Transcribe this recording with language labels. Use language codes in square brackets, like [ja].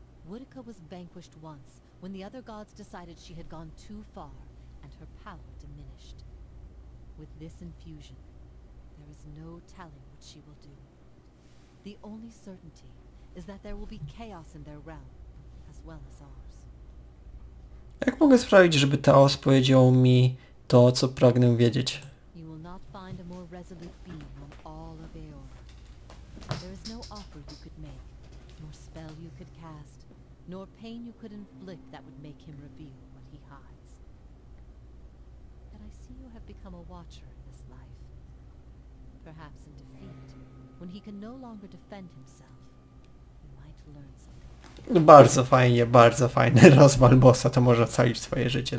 [en] Wutica was vanquished once when the other gods decided she had gone too far and her power diminished. With this infusion, there is no telling what she will do. The only certainty is that there will be chaos in their realm, as well as ours. [pl] Jak mogę sprawić, żeby Theos powiedział mi to, co pragnę wiedzieć? [en] You will not find a more resolute being on all of Eorl. There is no offer you could make, nor spell you could cast, nor pain you could inflict that would make him reveal what he hides. But I see you have become a watcher in this life. Perhaps in defeat, when he can no longer defend himself, you might learn something. [pl] No, bardzo fajnie, bardzo fajny rozwal bossa. To może ocalić swoje życie.